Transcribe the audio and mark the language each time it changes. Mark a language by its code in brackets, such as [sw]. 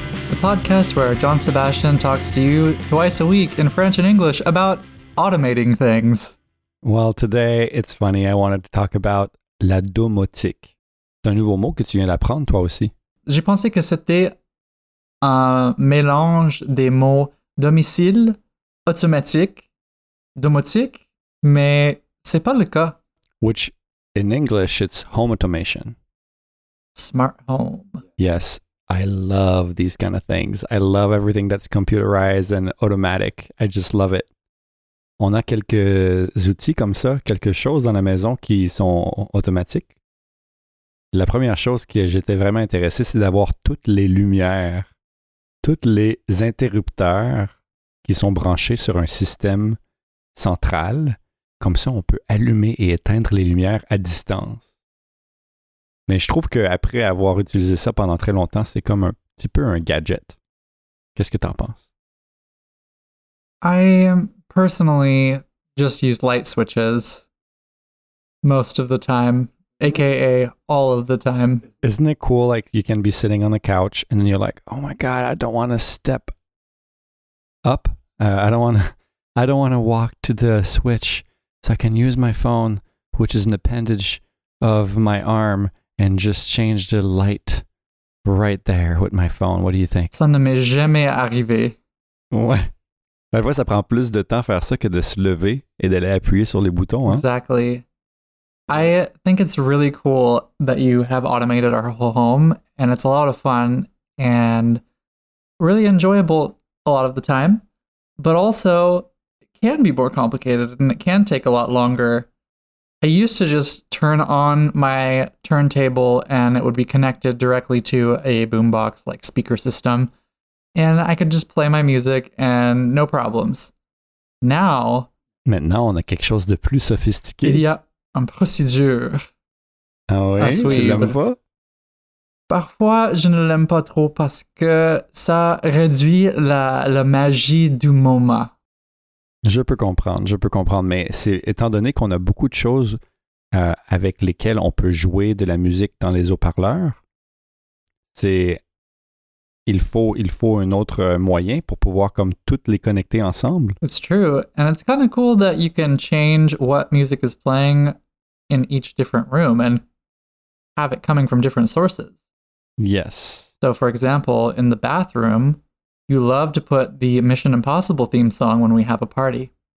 [en] The podcast where John Sebastian talks to you twice a week in French and English about automating things. Well, today, it's funny, I wanted to talk about la domotique. [fr] C'est un nouveau mot que tu viens d'apprendre, toi aussi. J'ai pensé que c'était un mélange des mots domicile, automatique, domotique, mais c'est pas le cas. [en] Which, in English, it's home automation. Smart home. Yes, I love these kind of things. I love everything that's computerized and automatic. I just love it. [fr] On a quelques outils comme ça, quelque chose dans la maison qui sont automatiques. La première chose que j'étais vraiment intéressé, c'est d'avoir toutes les lumières, toutes les interrupteurs qui sont branchés sur un système central. Comme ça, on peut allumer et éteindre les lumières à distance. Mais je trouve qu'après avoir utilisé ça pendant très longtemps, c'est comme un petit peu un gadget. Qu'est-ce que tu en penses? [en] Personally, just use light switches most of the time, aka all of the time. Isn't it cool? Like, you can be sitting on the couch and then you're like, oh my God, I don't want to step up. I don't want to walk to the switch so I can use my phone, which is an appendage of my arm, and just change the light right there with my phone. What do you think? [fr] Ça ne m'est jamais arrivé. Ouais. Ben, ça prend plus de temps faire ça que de se lever et d'aller appuyer sur les boutons, hein? [en] Exactly. I think it's really cool that you have automated our whole home, and it's a lot of fun and really enjoyable a lot of the time, but also it can be more complicated and it can take a lot longer. I used to just turn on my turntable and it would be connected directly to a boombox like speaker system. And I could just play my music and no problems. Now, [fr] maintenant on a quelque chose de plus sophistiqué. Il y a une procédure. Ah oui, tu l'aimes pas? Parfois, je ne l'aime pas trop parce que ça réduit la magie du moment. Je peux comprendre, mais c'est étant donné qu'on a beaucoup de choses avec lesquelles on peut jouer de la musique dans les haut-parleurs, c'est Il faut un autre moyen pour pouvoir comme toutes les connecter ensemble. [en] It's true. And it's kind of cool that you can change what music is playing in each different room and have it coming from different sources. Yes. So for example, in the bathroom, you love to put the Mission Impossible theme song when we have a party.